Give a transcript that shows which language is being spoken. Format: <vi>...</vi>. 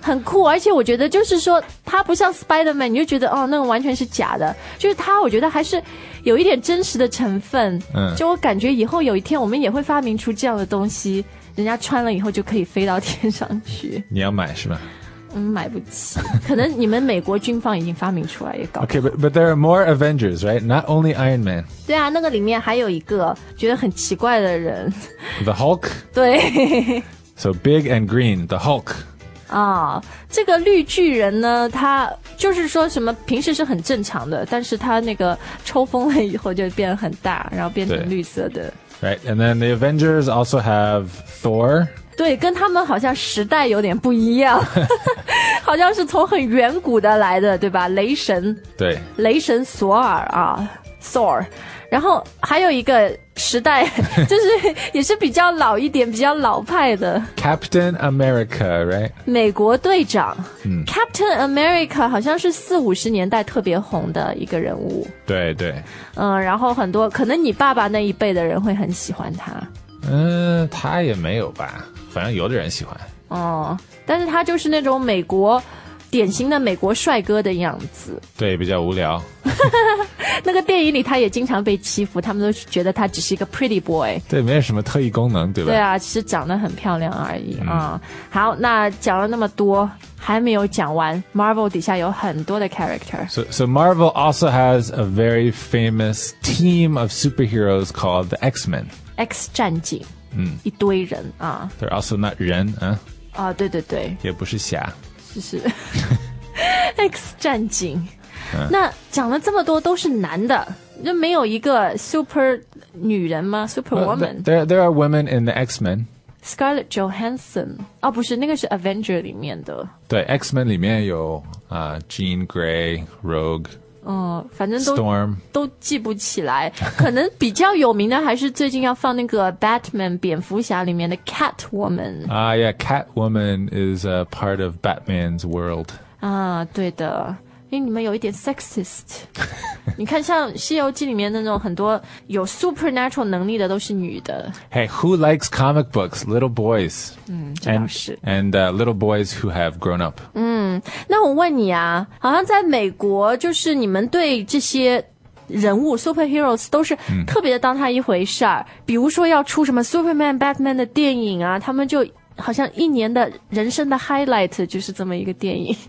<zh>很酷而且我觉得就是说他不像 Spider-Man 你就觉得哦，那个完全是假的就是他我觉得还是有一点真实的成分就我感觉以后有一天我们也会发明出这样的东西人家穿了以后就可以飞到天上去你要买是吧买不起可能你们美国军方已经发明出来也搞</zh> <en>OK but there are more Avengers right not only Iron Man</en> <zh>对啊那个里面还有一个觉得很奇怪的人</zh> <en>The Hulk</en> <zh>对</zh> <en>So big and green The Hulk</en> <zh>啊、这个绿巨人呢他就是说什么平时是很正常的但是他那个抽风了以后就变得很大然后变成绿色的</zh> <en>Right, and then the Avengers also have Thor.</en> <zh>对，跟他们好像时代有点不一样，好像是从很远古的来的，对吧？雷神，对，雷神索尔啊 ，Thor。然后还有一个时代，就是也是比较老一点，比较老派的</zh> <en>Captain America, right?</en> <zh>美国队长、嗯、Captain America 好像是四五十年代特别红的一个人物。对对。嗯，然后很多可能你爸爸那一辈的人会很喜欢他。嗯，他也没有吧，反正有的人喜欢。哦、嗯，但是他就是那种美国。典型的美国帅哥的样子，对，比较无聊。那个电影里他也经常被欺负，他们都觉得他只是一个 pretty boy，对，没有什么特异功能，对吧？对啊，只是长得很漂亮而已、嗯嗯、好，那讲了那么多还没有讲完， Marvel 底下有很多的 character。</zh> <en>So Marvel also has a very famous team of superheroes called the X-Men，</en> <zh>X 战警、嗯、一堆人、啊、</zh> <en>They're also not</en> <zh>人、啊啊、对对对，也不是侠，就是 X 战警、嗯、那讲了这么多都是男的，就没有一个 super 女人吗？</zh> <en>Super woman、 well, there are women in the X-Men.</en> <zh>Scarlett Johansson、哦、不是，那个是 Avenger 里面的，对， X-Men 里面有、Jean Grey, Rogue、反正都</zh> <en>Storm</en> <zh>都记不起来，可能比较有名的还是最近要放那个 Batman 蝙蝠侠里面的 Catwoman、</zh> <en>yeah, Catwoman is a part of Batman's world、</en> <zh>对的，因为你们有一点 sexist。你看像西游记里面那种很多有 supernatural 能力的都是女的。</zh> <en>Hey, who likes comic books? Little boys、嗯、这倒是。 And、little boys who have grown up、</en> <zh>嗯、那我问你啊，好像在美国就是你们对这些人物 superheroes 都是特别的当他一回事儿、嗯。比如说要出什么 Superman Batman 的电影啊，他们就好像一年的人生的 highlight 就是这么一个电影。</zh>